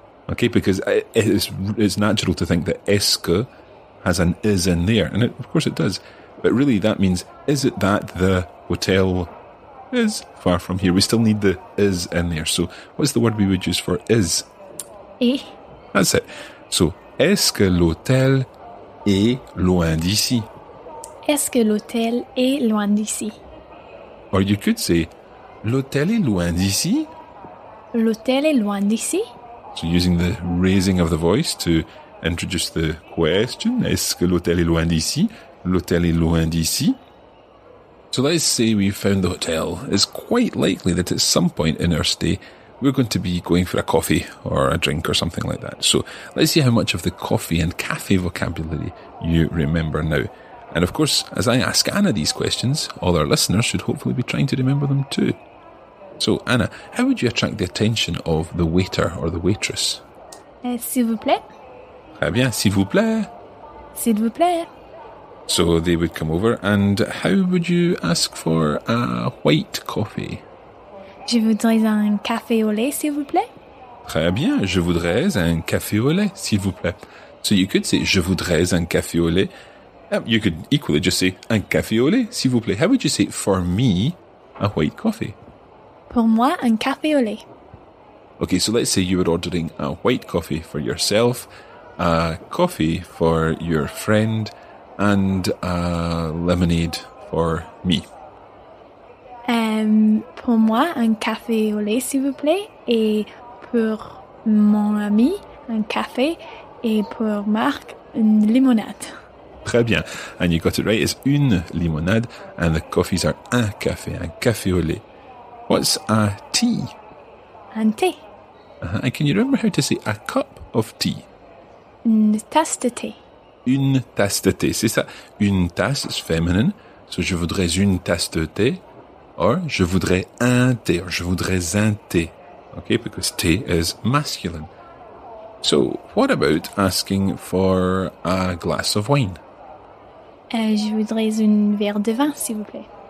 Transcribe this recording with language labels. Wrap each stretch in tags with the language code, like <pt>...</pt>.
<en>Okay, because it's natural to think that</en> <fr>est-ce que</fr> <en>has an is in there. And it, of course it does. But really that means, is it that the hotel is far from here? We still need the is in there. So what's the word we would use for is?</en> <fr>Et.</fr> <en>That's it.</en> <fr>So, est-ce que l'hôtel est loin d'ici? Est-ce que l'hôtel est loin d'ici?</fr> <en>Or you could say,</en> <fr>l'hôtel est loin d'ici? L'hôtel est loin d'ici?</fr> <en>So using the raising of the voice to introduce the question,</en> <fr>est-ce que l'hôtel est loin d'ici? L'hôtel est loin d'ici?</fr> <en>So let's say we found the hotel. It's quite likely that at some point in our stay, we're going to be going for a coffee or a drink or something like that. So let's see how much of the coffee and cafe vocabulary you remember now. And of course, as I ask Anna these questions, all our listeners should hopefully be trying to remember them too. So Anna, how would you attract the attention of the waiter or the waitress?</en> <fr>S'il vous plaît. Très bien, s'il vous plaît. S'il vous plaît.</fr> <en>So they would come over, and how would you ask for a white coffee?</en> <fr>Je voudrais un café au lait, s'il vous plaît. Très bien, je voudrais un café au lait, s'il vous plaît.</fr> <en>So you could say,</en> <fr>je voudrais un café au lait.</fr> <en>You could equally just say,</en> <fr>un café au lait, s'il vous plaît.</fr> <en>How would you say, for me, a white coffee?</en> <fr>Pour moi, un café au lait.</fr> <en>Okay, so let's say you were ordering a white coffee for yourself, a coffee for your friend, and a lemonade for me.</en> <fr>Pour moi, un café au lait, s'il vous plaît. Et pour mon ami, un café. Et pour Marc, une limonade. Très bien.</fr> <en>And you got it right. It's</en> <fr>une limonade.</fr> <en>And the coffees are</en> <fr>un café au lait.</fr> <en>What's a tea?</en> <fr>Un thé.</fr> <en>And can you remember how to say a cup of tea?</en> <fr>Une tasse de thé. Une tasse de thé, c'est ça. Une tasse,</fr> <en>it's feminine. So,</en> <fr>je voudrais une tasse de thé.</fr> <en>Or,</en> <fr>je voudrais un thé.</fr> <en>Or,</en> <fr>je voudrais un thé.</fr> <en>Okay, because thé is masculine. So, what about asking for a glass of wine?</en> <fr>Je voudrais un verre de vin, s'il vous plaît.</fr>